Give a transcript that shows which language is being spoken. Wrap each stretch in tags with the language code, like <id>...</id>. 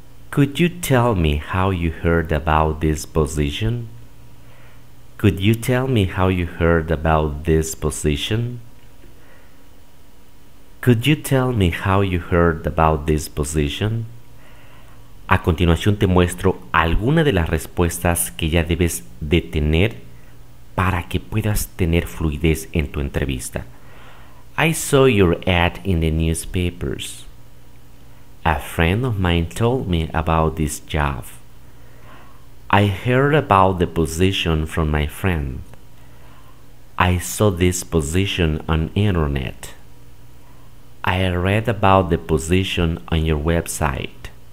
<en>Could you tell me how you heard about this position? Could you tell me how you heard about this position? Could you tell me how you heard about this position?</en> <es>A continuación te muestro alguna de las respuestas que ya debes de tener para que puedas tener fluidez en tu entrevista.</es> <en>I saw your ad in the newspapers. A friend of mine told me about this job. I heard about the position from my friend. I saw this position on internet. I read about the position on your website.</en>